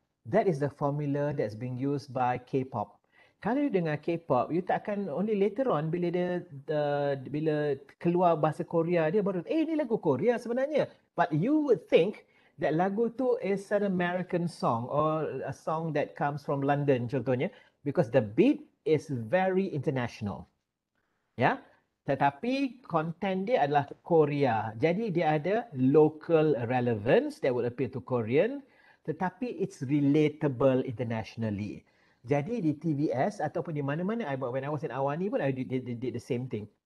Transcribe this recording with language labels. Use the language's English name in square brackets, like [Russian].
[English] That is the formula that's being used by K-pop. [Malay] Kalau you dengar K-pop, you tak akan, only later on bila dia bila keluar bahasa Korea, dia baru, ini lagu Korea sebenarnya. [English] But you would think that lagu tu is an American song or a song that comes from London contohnya, because the beat is very international. [Malay] Ya, tetapi content dia adalah Korea. Jadi dia ada [English] local relevance that would appeal to Korean, tetapi it's relatable internationally. [Malay] Jadi di TVS ataupun di mana-mana, [English] when I was in Awani pun, I did the same thing.